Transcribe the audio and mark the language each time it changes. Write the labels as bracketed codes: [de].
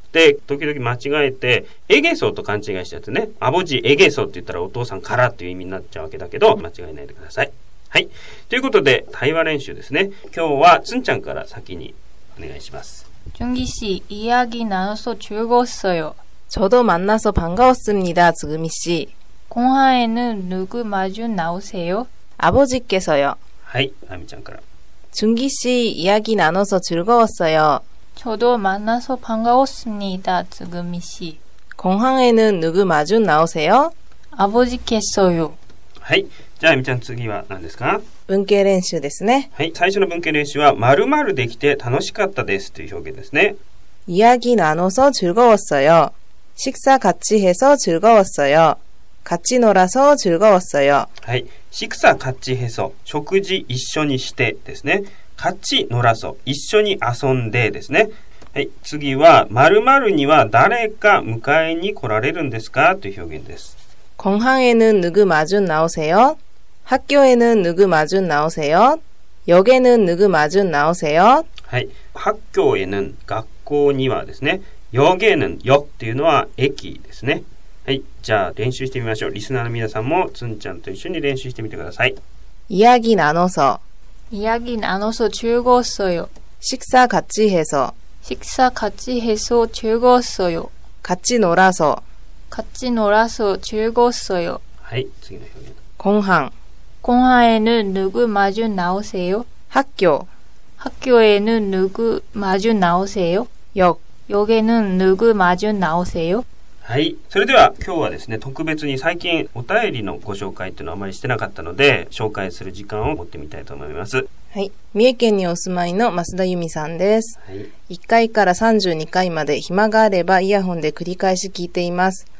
[ja] で、時々間違えてエゲソと勘違いしちゃってね、アボジエゲソって言ったらお父さんからっていう意味になっちゃうわけだけど、間違えないでください。はい、ということで対話練習ですね。今日はつんちゃんから先にお願いします。 [ko] ジョンギ씨、이야기나눠서즐거웠어요。 저도만나서반가웠습니다지금이씨。 공항에는누구마주나오세요？ 아버지께서요。 [ja] はい、아미ちゃんから。 [ko] 준기씨이야기나눠서즐거웠어요。 저도만나서반가웠습니다지금이씨。 공항에는누구마주나오세요？ 아버지께서요。 [ja] はい、じゃあ아미ちゃん次は何ですか？文型練習ですね。はい、最初の文型練習は〇〇できて楽しかったですという表現ですね。 [ko] 이야기나눠서즐거웠어요。 식사같이해서즐거웠어요。 같이놀아서즐거웠어요。 [ja] はい、 [ko] 식사같이해서、 [ja] 食事一緒にしてですね。 [ko] 같이놀아서、 [ja] 一緒に遊んでですね。はい、次は〇〇には誰か迎えに来られるんですかという表現です。 [ko] 공항에는누구마주나오세요？ 학교에는누구마주나오세요？ 역에는누구마주나오세요？ [ja] はい、 [ko] 학교에는、 [ja] 学校にはですね。역에는、역っていうのは駅ですね。はい、じゃあ練習してみましょう。リスナーの皆さんもつんちゃんと一緒に練習してみてください。 [ko] 이야기나눠서。 이야기나눠서즐거웠어요。 식사같이해서。 식사같이해서즐거웠어요。 같이놀아서。 같이놀아서즐거웠어요。 [ja] はい、次の表現。 [ko] 공항。 공항에는누구마주나오세요？ 학교。 학교에는누구마주나오세요？ 역。 역에는누구마주나오세요？ [ja] はい、それでは今日はですね、特別に最近お便りのご紹介っていうのはあまりしてなかったので、紹介する時間を持ってみたいと思います。はい、三重県にお住まいの増田由美さんです、はい、1階から32階まで暇があればイヤホンで繰り返し聞いています。